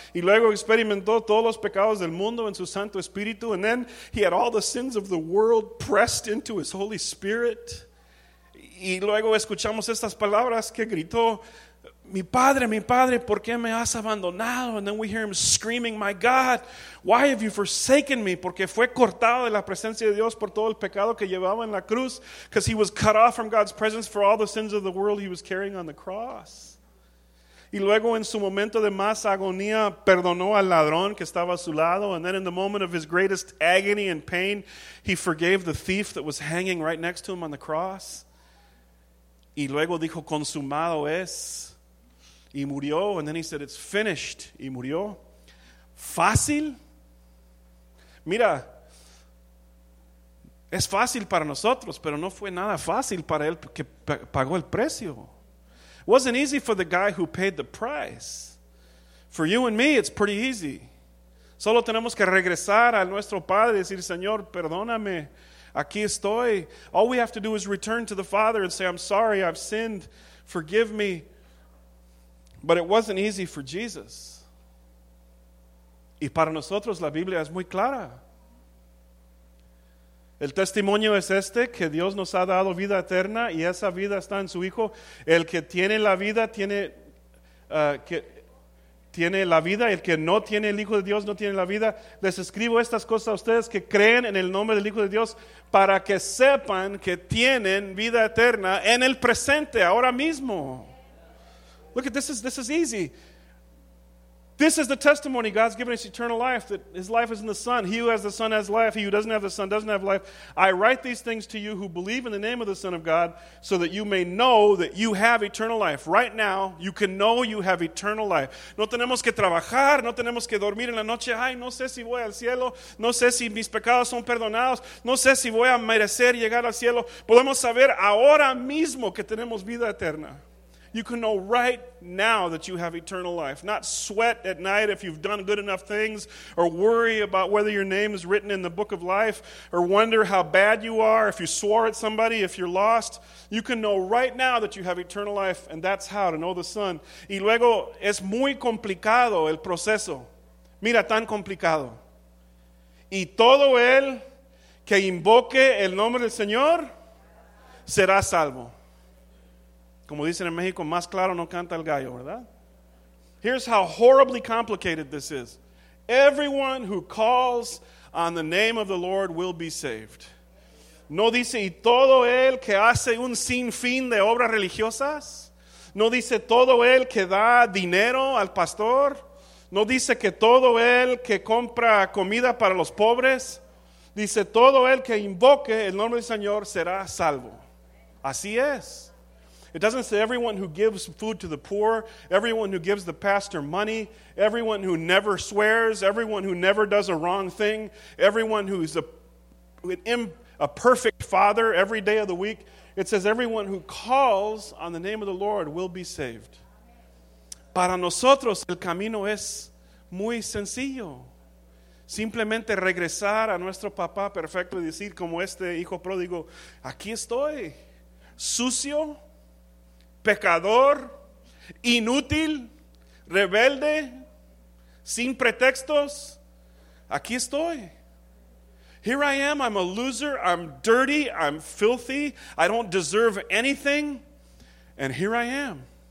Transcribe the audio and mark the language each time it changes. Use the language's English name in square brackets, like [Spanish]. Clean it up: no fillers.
[Spanish] Y luego experimentó todos los pecados del mundo en su Santo Espíritu. [English] And then he had all the sins of the world pressed into his Holy Spirit. [Spanish] Y luego escuchamos estas palabras que gritó, mi padre, ¿por qué me has abandonado? [English] And then we hear him screaming, my God, why have you forsaken me? [Spanish] Porque fue cortado de la presencia de Dios por todo el pecado que llevaba en la cruz. [English] Because he was cut off from God's presence for all the sins of the world he was carrying on the cross. [Spanish] Y luego en su momento de más agonía, perdonó al ladrón que estaba a su lado. [English] And then in the moment of his greatest agony and pain, he forgave the thief that was hanging right next to him on the cross. [Spanish] Y luego dijo, consumado es, y murió. [English] And then he said, it's finished, [Spanish] y murió. ¿Fácil? Mira, es fácil para nosotros, pero no fue nada fácil para él que pagó el precio. [English] It wasn't easy for the guy who paid the price. For you and me, it's pretty easy. [Spanish] Solo tenemos que regresar a nuestro Padre y decir, Señor, perdóname. Aquí estoy. [English] All we have to do is return to the Father and say, I'm sorry, I've sinned, forgive me. But it wasn't easy for Jesus. [Spanish] Y para nosotros la Biblia es muy clara. El testimonio es este, que Dios nos ha dado vida eterna y esa vida está en su Hijo. El que tiene la vida tiene la vida, el que no tiene el Hijo de Dios no tiene la vida. Les escribo estas cosas a ustedes que creen en el nombre del Hijo de Dios para que sepan que tienen vida eterna en el presente, ahora mismo. [English] Look at this is easy. This is the testimony God's given us eternal life, that his life is in the Son. He who has the Son has life. He who doesn't have the Son doesn't have life. I write these things to you who believe in the name of the Son of God so that you may know that you have eternal life. Right now, you can know you have eternal life. [Spanish] No tenemos que trabajar. No tenemos que dormir en la noche. Ay, no sé si voy al cielo. No sé si mis pecados son perdonados. No sé si voy a merecer llegar al cielo. Podemos saber ahora mismo que tenemos vida eterna. [English] You can know right now that you have eternal life. Not sweat at night if you've done good enough things, or worry about whether your name is written in the book of life, or wonder how bad you are, if you swore at somebody, if you're lost. You can know right now that you have eternal life, and that's how to know the Son. [Spanish] Y luego, es muy complicado el proceso. Mira, tan complicado. Y todo el que invoque el nombre del Señor será salvo. Como dicen en México, más claro no canta el gallo, ¿verdad? [English] Here's how horribly complicated this is. Everyone who calls on the name of the Lord will be saved. [Spanish] No dice, y todo el que hace un sinfín de obras religiosas. No dice, todo el que da dinero al pastor. No dice que todo el que compra comida para los pobres. Dice, todo el que invoque el nombre del Señor será salvo. Así es. [English] It doesn't say everyone who gives food to the poor, everyone who gives the pastor money, everyone who never swears, everyone who never does a wrong thing, everyone who is a perfect father every day of the week. It says everyone who calls on the name of the Lord will be saved. [Spanish] Para nosotros el camino es muy sencillo. Simplemente regresar a nuestro papá perfecto y decir como este hijo pródigo, aquí estoy, sucio, pecador, inútil, rebelde, sin pretextos, aquí estoy. [English] Here I am, I'm a loser, I'm dirty, I'm filthy, I don't deserve anything, and here I am.